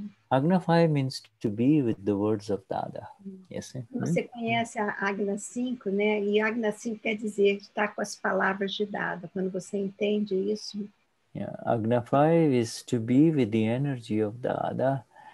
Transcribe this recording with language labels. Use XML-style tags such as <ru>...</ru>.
<en>Agna 5 means to be with the words of Dada. Yes.</en> <pt>Você conhece a Agna 5, né? E Agna 5 quer dizer estar com as palavras de Dada. Quando você entende isso.</pt> <en>Yeah, Agna 5 is to be with the energy of Dada.</en>